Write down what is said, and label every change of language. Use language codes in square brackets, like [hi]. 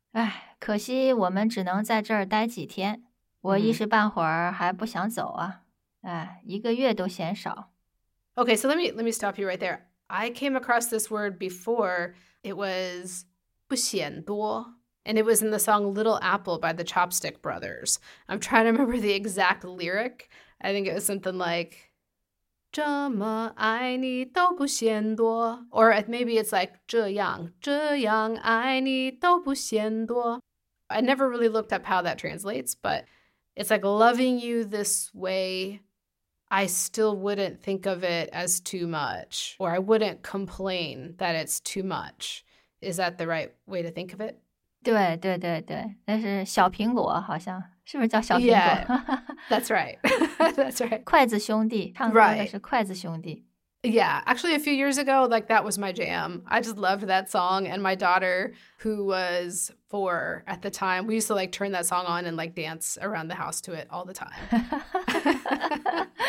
[zh] 哎，可惜我们只能在这儿待几天。我一时半会儿还不想走啊。哎，一个月都嫌少。 [en] Okay, so let me stop you right there. I came across this word before. It was [zh] 不嫌多。 [en] And it was in the song Little Apple by the Chopstick Brothers. I'm trying to remember the exact lyric. I think it was something like, [zh] 这么爱你都不嫌多. [en] Or maybe it's like, [zh] 这样这样爱你都不嫌多. [en] I never really looked up how that translates, but it's like loving you this way, I still wouldn't think of it as too much. Or I wouldn't complain that it's too much. Is that the right way to think of it? [zh] 对对对对，那是小苹果，好像是不是叫小苹果 [en] yeah, ？That's right, that's right. [zh] 筷子兄弟唱歌的是筷子兄弟。 [en] Right. Yeah, actually, a few years ago, like that was my jam. I just loved that song, and my daughter, who was 4 at the time, we used to like turn that song on and like dance around the house to it all the time.